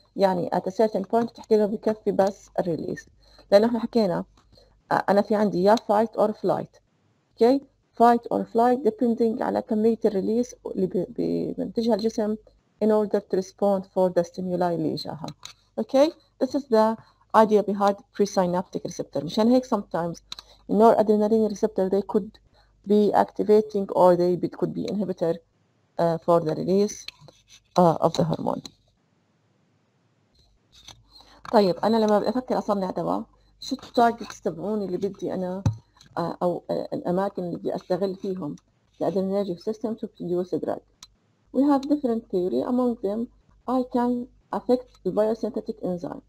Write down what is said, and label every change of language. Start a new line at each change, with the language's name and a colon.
Arabic: يعني
English: at a certain point
Arabic: بتحكي له بكفي بس الـ release. لأنه احنا حكينا أنا في عندي يا fight or flight.
English: Okay؟ fight or flight depending
Arabic: على كمية الـ release اللي بينتجها الجسم
English: in order to respond for the stimuli
Arabic: اللي إجاها.
English: Okay؟ this is the idea behind presynaptic receptor.
Arabic: مشان هيك
English: sometimes noradrenaline receptor they could be activating or they could be inhibitor for the release of the hormone.
Arabic: طيب انا لما بفكر اصنع دواء شو التارجتس تبعوني اللي بدي انا او الاماكن اللي بدي استغل فيهم الادرينرجيك سيستم
English: to produce a drug. We have different theory among them. I can affect the biosynthetic enzyme.